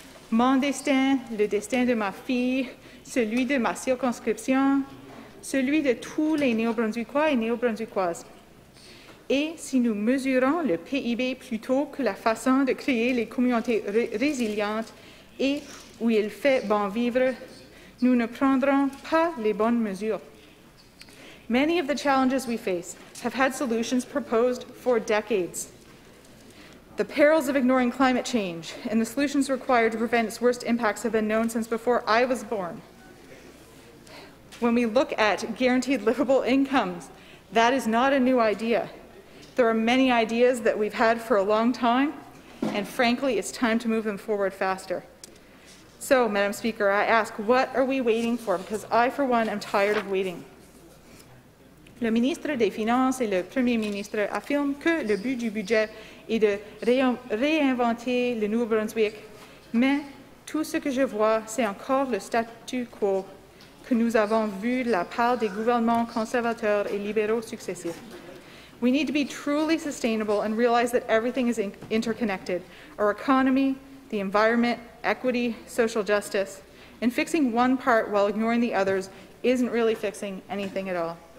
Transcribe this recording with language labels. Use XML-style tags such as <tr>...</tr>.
<fr>Mon destin, le destin de ma fille, celui de ma circonscription, celui de tous les Néo-Brunswickois et Néo-Brunswickoises. Et si nous mesurons le PIB plutôt que la façon de créer les communautés résilientes et où il fait bon vivre, nous ne prendrons pas les bonnes mesures.</fr> <en>Many of the challenges we face have had solutions proposed for decades. The perils of ignoring climate change and the solutions required to prevent its worst impacts have been known since before I was born. When we look at guaranteed livable incomes, that is not a new idea. There are many ideas that we've had for a long time, and frankly, it's time to move them forward faster. So, Madam Speaker, I ask, what are we waiting for? Because I, for one, am tired of waiting.</en> <fr>Le ministre des Finances et le Premier ministre affirment que le but du budget est de réinventer le Nouveau-Brunswick, mais tout ce que je vois, c'est encore le statu quo que nous avons vu de la part des gouvernements conservateurs et libéraux successifs.</fr> <en>We need to be truly sustainable and realize that everything is interconnected. Our economy, the environment, equity, social justice. And fixing one part while ignoring the others isn't really fixing anything at all.</en>